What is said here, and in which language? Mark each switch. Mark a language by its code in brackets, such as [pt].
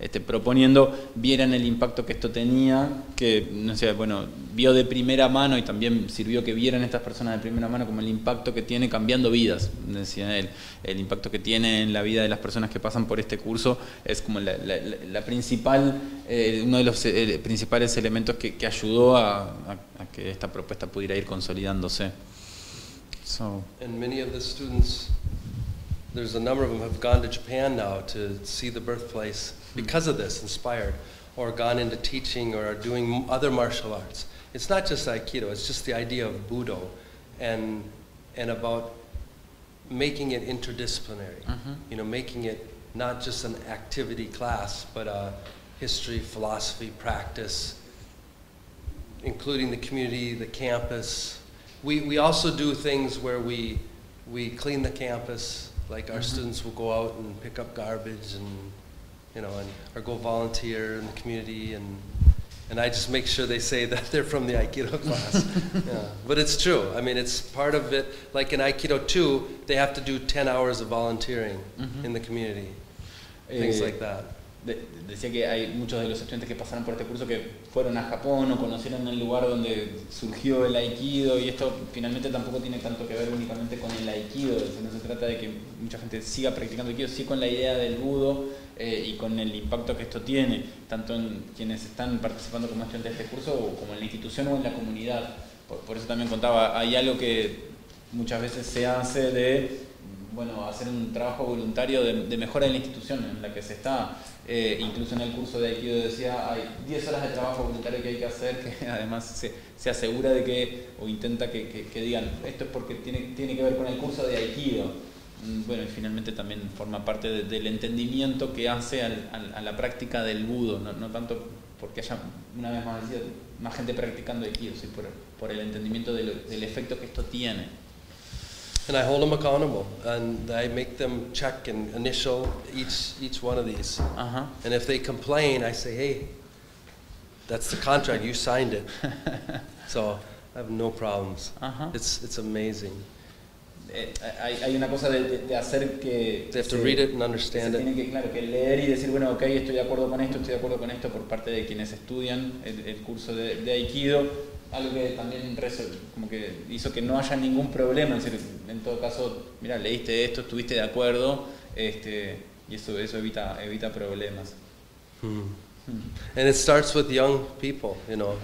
[es] proponiendo, vieran el impacto que esto tenía, que no sé, bueno, vio de primera mano, y también sirvió que vieran estas personas de primera mano como el impacto que tiene cambiando vidas, decía él, el impacto que tiene en la vida de las personas que pasan por este curso es como la principal, uno de los principales elementos que ayudó a que esta propuesta pudiera ir consolidándose. [en] So. And many of the students, there's a number of them have gone to Japan now to see the birthplace because of this, inspired, or gone into teaching or are doing other martial arts. It's not just Aikido, it's just the idea of Budo and about making it interdisciplinary, mm-hmm. You know, making it not just an activity class, but a history, philosophy, practice, including the community, the campus. We also do things where we clean the campus, like our mm-hmm. students will go out and pick up garbage and, you know, and or go volunteer in the community, and I just make sure they say that they're from the Aikido class. Yeah. But it's true. I mean, it's part of it. Like in Aikido 2, they have to do 10 hours of volunteering mm-hmm. in the community. things like that. [es] Decía que hay muchos de los estudiantes que pasaron por este curso que fueron a Japón o conocieron el lugar donde surgió el Aikido, y esto finalmente tampoco tiene tanto que ver únicamente con el Aikido, no se trata de que mucha gente siga practicando Aikido, sí con la idea del Budo y con el impacto que esto tiene, tanto en quienes están participando como estudiantes de este curso, o como en la institución o en la comunidad. Por eso también contaba, hay algo que muchas veces se hace de, bueno, hacer un trabajo voluntario de mejora en la institución en la que se está. Incluso en el curso de Aikido decía, hay 10 horas de trabajo voluntario que hay que hacer, que además se asegura de que, o intenta que digan, esto es porque tiene que ver con el curso de Aikido. Bueno, y finalmente también forma parte del entendimiento que hace a la práctica del Budo, no tanto porque haya, una vez más decía, más gente practicando Aikido, sino por el entendimiento del efecto que esto tiene. [en] And I hold them accountable, and I make them check and initial each one of these. Uh-huh. And if they complain, I say, hey, that's the contract, you signed it. So I have no problems. Uh-huh. It's amazing. [es] Hay una cosa de hacer que [en] they have to read it and understand it. [es] Tienen que, claro, que leer y decir, bueno, okay, estoy de acuerdo con esto, estoy de acuerdo con esto, por parte de quienes estudian el curso de Aikido. Algo que también como que hizo que no haya ningún problema, es decir, en todo caso, mira, leíste esto, estuviste de acuerdo, y eso evita problemas. [en] And it starts with young people, you know.